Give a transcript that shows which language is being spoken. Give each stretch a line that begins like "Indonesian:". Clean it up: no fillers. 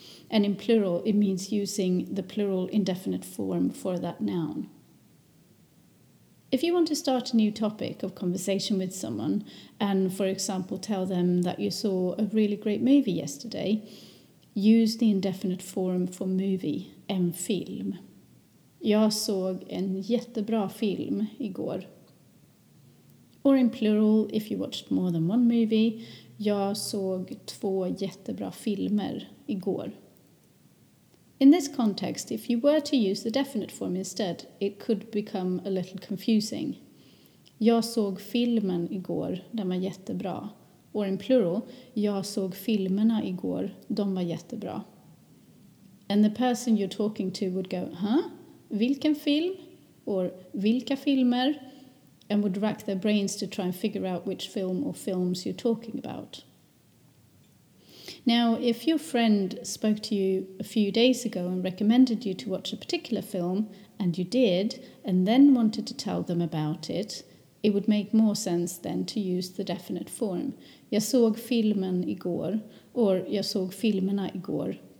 English: And in plural, it means using the plural indefinite form for that noun. If you want to start a new topic of conversation with someone and, for example, tell them that you saw a really great movie yesterday, use the indefinite form for movie,
Swedish: en film. Jag såg en jättebra film igår.
English: Or in plural, if you watched more than one movie,
Swedish: jag såg två jättebra filmer igår.
English: In this context, if you were to use the definite form instead, it could become a little confusing.
Swedish: Jag såg filmen igår, den var jättebra.
English: Or in plural,
Swedish: jag såg filmerna igår, de var jättebra.
English: And the person you're talking to would go, huh?
Swedish: Vilken film?
English: Or
Swedish: vilka filmer?
English: And would rack their brains to try and figure out which film or films you're talking about. Now, if your friend spoke to you a few days ago and recommended you to watch a particular film, and you did, and then wanted to tell them about it, it would make more sense then to use the definite form.
Swedish: Jag såg filmen igår, or jag såg filmerna igår.